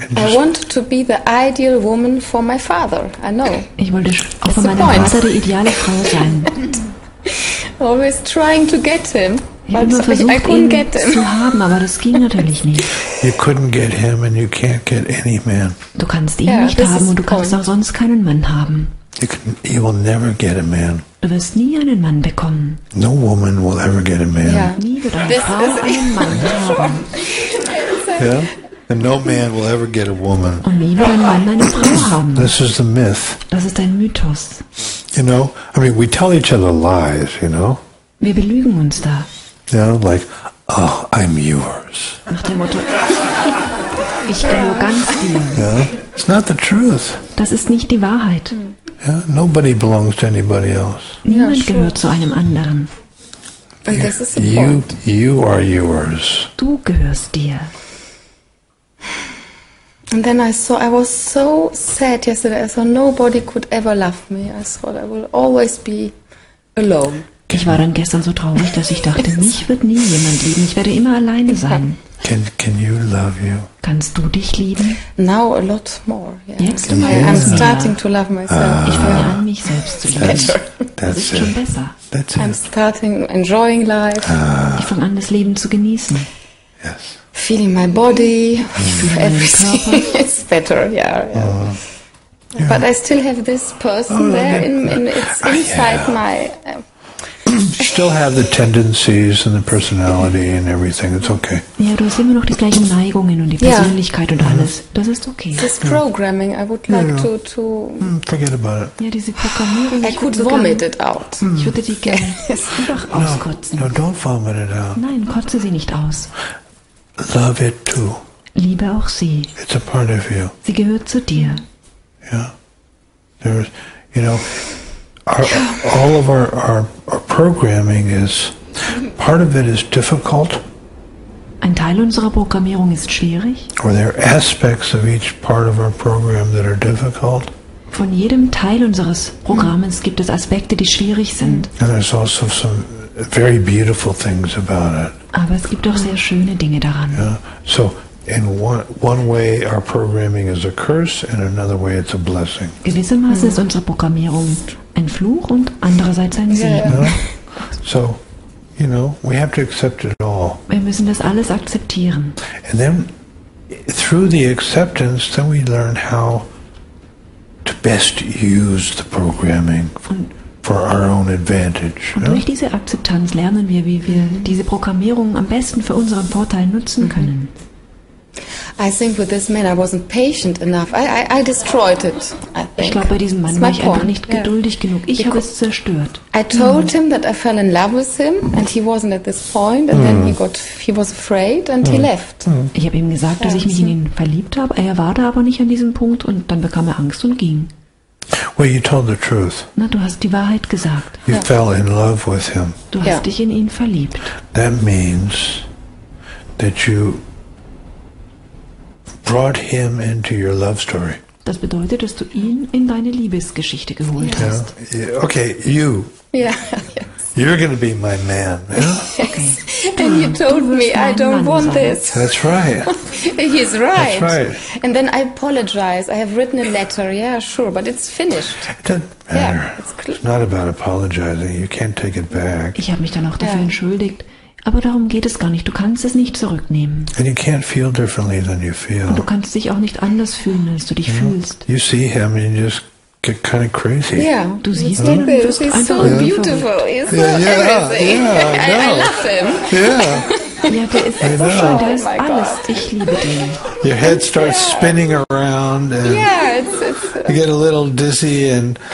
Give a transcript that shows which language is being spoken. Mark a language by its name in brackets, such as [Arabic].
[English] I want to be the ideal woman for my father. I know. [German] Ich wollte auch für meinen Vater die ideale Frau sein. [English] Always trying to get him. You couldn't get him and you can't get any man. [German] Du kannst ihn nicht haben und du kannst auch sonst keinen Mann haben. [English] You will never get a man. [German] Du wirst nie einen Mann bekommen. [English] No woman will ever get a man. And no man will ever get a woman. [German] Und nie wird ein Mann eine Frau haben. [English] This is the myth. [German] Das ist ein Mythos. [English] You know, I mean, we tell each other lies, you know. [German] Wir belügen uns da. [English] You know, like, oh, I'm yours. [German] Nach dem Motto, ich gehöre ganz dir. [English] Yeah? It's not the truth. [German] Das ist nicht die Wahrheit. [English] Yeah, nobody belongs to anybody else. [German] Niemand gehört zu einem anderen. [English] And this is you, you are yours. [German] Du gehörst dir. [English] And then I saw, I was so sad yesterday. I saw nobody could ever love me. I thought I will always be alone. [German] Ich war dann gestern so traurig, dass ich dachte, mich wird nie jemand lieben. Ich werde immer alleine sein. [English] Can you love you? [German] Kannst du dich lieben? [English] Now a lot more. Yeah. [German] Jetzt [English] I'm starting to love myself. [German] Ich fange an, mich selbst zu lieben. [English] That's [German] schon besser. [English] That's I'm starting enjoying life. [German] Ich fange an, das Leben zu genießen. [English] Yes. Feeling my body. Everything is better. Yeah. But I still have this person there. It's inside my. Still have the tendencies and the personality and everything. It's okay. [German] Ja, du hast immer noch die gleichen Neigungen und die Persönlichkeit und alles. Das ist okay. [English] This programming, I would like to forget about it. [German] Ja, diese Programmierung. [English] I could vomit it out. [German] Ich würde die gerne einfach auskotzen. [English] No, don't vomit it out. [German] Nein, kotze sie nicht aus. [English] Love it too. [German] Liebe auch sie. [English] It's a part of you. [German] Sie gehört zu dir. [English] Yeah. There's, you know. All of our programming is part of it is difficult. [German] Ein Teil unserer Programmierung ist schwierig. [English] Or there are aspects of each part of our program that are difficult. [German] Von jedem Teil unseres Programms gibt es Aspekte, die schwierig sind. [English] And there's also some very beautiful things about it. [German] Aber es gibt auch sehr schöne Dinge daran. [English] Yeah. So in one way our programming is a curse, in another way it's a blessing. [German] Gewissermaßen ist unsere Programmierung ein Fluch und andererseits ein Segen. [English] Yeah. So, you know, we have to accept it all. Wir müssen das alles akzeptieren. And then, through the acceptance, then we learn how to best use the programming for our own advantage. [German] Und durch diese Akzeptanz lernen wir, wie wir diese Programmierung am besten für unseren Vorteil nutzen können. [English] I think with this man I wasn't patient enough. I destroyed it. [German] Ich glaube, bei diesem Mann war ich einfach nicht geduldig genug. Ich habe es zerstört. [English] I told him that I fell in love with him and he wasn't at this point and then he was afraid and he left. [German] Ich habe ihm gesagt, dass ich mich in ihn verliebt habe. Er war da aber nicht an diesem Punkt und dann bekam er Angst und ging. [English] Well, you told the truth. [German] Na, du hast die Wahrheit gesagt. [English] You fell in love with him. [German] Du hast dich in ihn verliebt. [English] That means that you brought him into your love story. [German] Das bedeutet, dass du ihn in deine Liebesgeschichte geholt hast. [English] Yeah. Okay, you. Yeah. Yes. You're going to be my man. Okay. And you told me I don't want this. That's right. He's right. That's right. And then I apologize. I have written a letter. Yeah, sure, but it's finished. It doesn't matter. It's not about apologizing. You can't take it back. [German] Ich habe mich dann auch dafür entschuldigt. Aber darum geht es gar nicht. Du kannst es nicht zurücknehmen. [English] And you can't feel differently than you feel. [German] Und du kannst dich auch nicht anders fühlen, als du dich fühlst. [English] You see him and you just get kind of crazy. Yeah, [German] du siehst ihn und wirst einfach [English] so beautiful. He's so everything. Yeah, I love him. Yeah. [German] Ja, der ist so schön. Der ist alles. Ich liebe den. [English] Your head starts spinning around. And you get a little dizzy. And